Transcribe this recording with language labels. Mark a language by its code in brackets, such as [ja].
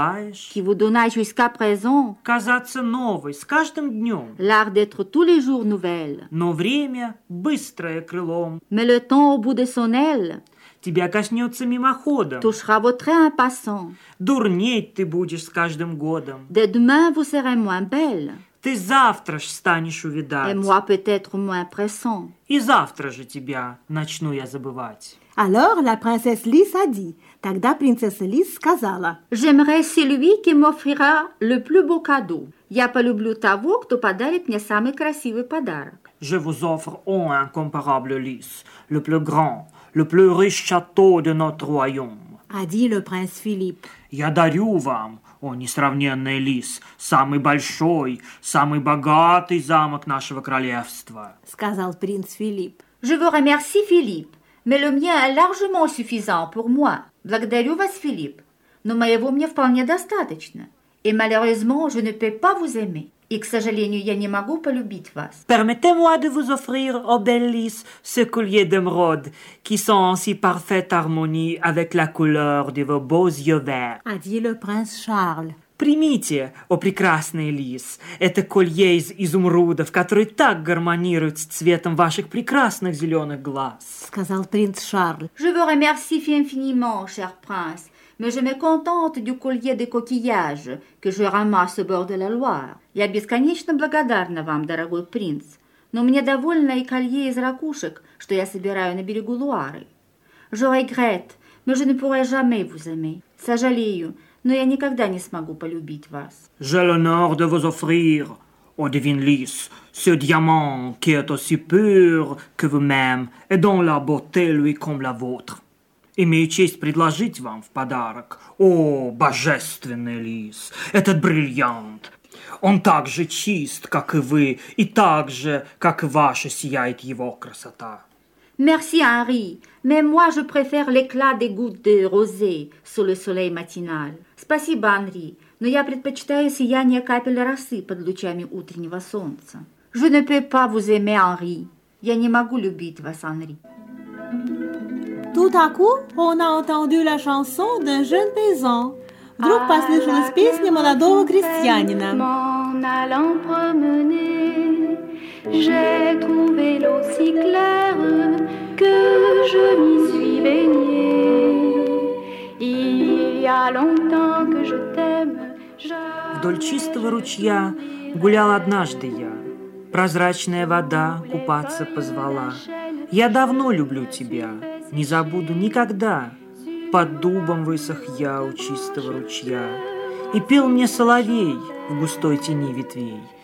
[fr] Qui vous donna jusqu'à présent. [ru] Казаться новой с каждым днем. [fr] L'art d'être tous les jours nouvelle. [ru] Но время быстрое крылом. [fr] Mais le temps au bout de son aile. [ru] Тебя коснется мимоходом. [fr] Touchera votre train passant. [ru] Дурнеть ты будешь с каждым годом. [fr] Dès demain vous serez moins belle. [ru] Ты завтра ж станешь увидать. [fr] Et moi peut-être moins pressant. [ru] И завтра же тебя начну я забывать. [fr] Alors la princesse Лис a dit. [ru] Тогда принцесса Лис сказала. [fr] J'aimerais celui qui m'offrira le plus beau cadeau. [ru] Я полюблю того, кто подарит мне самый красивый подарок. [fr] Je vous offre un incomparable Лис, le plus grand, le plus riche château de notre royaume. A dit le prince Philippe. [ru] Я дарю вам, о несравненный Лис, самый большой, самый богатый замок нашего королевства. Сказал принц Филипп. [fr] Je vous remercie, Philippe, mais le mien est largement suffisant pour moi. [ru] Благодарю вас, Филипп, но моего мне вполне достаточно. [fr] Et malheureusement, je ne peux pas vous aimer. [ru] И, к сожалению, я не могу полюбить вас. [fr] Permettez-moi de vous offrir, ô belle Лис, ce collier d'émeraude, qui sont en si parfaite harmonie avec la couleur de vos beaux yeux verts. A dit le prince Charles. [ru] Примите, о прекрасный Лис, это колье из изумрудов, который так гармонирует с цветом ваших прекрасных зеленых глаз. Сказал принц Шарль. [fr] Je vous remercie infiniment, cher prince. Mais je me contente du collier de coquillages que je ramasse au bord de la Loire. [ru] Я бесконечно благодарна вам, дорогой принц, но мне довольно и колье из ракушек, что я собираю на берегу Луары. [fr] Je regrette, mais je ne pourrai jamais vous aimer. [ru] Сожалею, но я никогда не смогу полюбить вас. [fr] J'ai l'honneur de vous offrir, ô divine Лис, ce diamant qui est aussi pur que vous-même et dont la beauté lui comme la vôtre. [ru] Имею честь предложить вам в подарок. О, божественный Лис, этот бриллиант. Он так же чист, как и вы, и так же, как и ваша, сияет его красота. [fr] Merci, Henri. Mais moi, je préfère l'éclat des gouttes de rosée sous le soleil matinal. [ru] Спасибо, Henri. Но я предпочитаю сияние капель росы под лучами утреннего солнца. [fr] Je ne peux pas vous aimer, Henri. [ru] Я не могу любить вас, Henri. [fr] Tout à coup, on a entendu la chanson d'un jeune paysan. [ru] Вдруг послышалась песня молодого крестьянина. [fr] M'en allant promener, j'ai trouvé l'eau si claire que je m'y suis baignée. Il y a longtemps que je t'aime. [ru] Вдоль чистого ручья гулял однажды я. Прозрачная вода купаться позвала. Я давно люблю тебя, не забуду никогда. Под дубом высох я у чистого ручья. И пел мне соловей в густой тени ветвей.